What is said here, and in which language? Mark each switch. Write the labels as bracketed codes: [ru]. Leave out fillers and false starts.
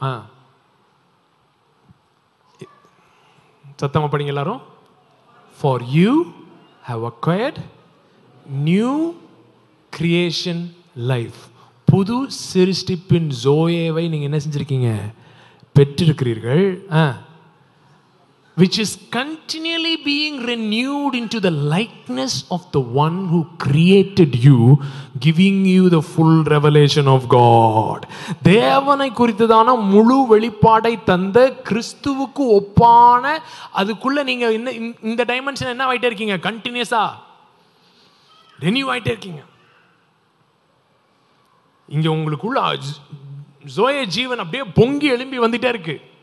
[ta] ஆ, சத்தமாக படிங்க எல்லாரும். [en] For you have acquired new creation life. [ta] புது சிருஷ்டிப்பின் ஜோயேவை நீங்கள் என்ன செஞ்சுருக்கீங்க? பெற்றிருக்கிறீர்கள். [en] Which is continually being renewed into the likeness of the one who created you, giving you the full revelation of God. [ta] தேவனை குறித்ததான முழு வெளிப்பாடை தந்த கிறிஸ்துவுக்கு ஒப்பான அதுக்குள்ள நீங்க என்ன இந்த டைமென்ஷன் என்ன ஆயிட்டே இருக்கீங்க? கண்டினியூஸா ரெனியூ ஆயிட்டே இருக்கீங்க. இங்க உங்களுக்குள்ள ஜோய ஜீவன் அப்படியே பொங்கி எழும்பி வந்துட்டே இருக்கு.